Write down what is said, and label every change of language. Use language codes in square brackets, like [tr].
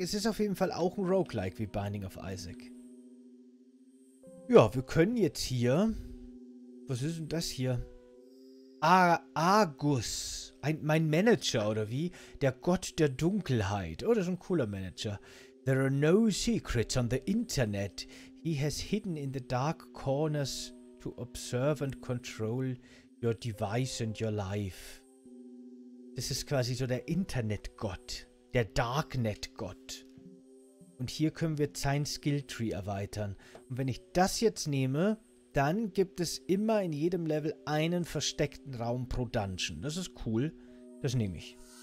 [de] Es ist auf jeden Fall auch ein Roguelike wie Binding of Isaac. Ja, wir können jetzt hier... Was ist denn das hier? Argus. Mein Manager, oder wie? Der Gott der Dunkelheit. Oh, das ist ein cooler Manager. [en] There are no secrets on the internet. He has hidden in the dark corners to observe and control your device and your life. [de] Das ist quasi so der Internetgott. Der Darknetgott. Und hier können wir sein Skill Tree erweitern. Und wenn ich das jetzt nehme, dann gibt es immer in jedem Level einen versteckten Raum pro Dungeon. Das ist cool. Das nehme ich.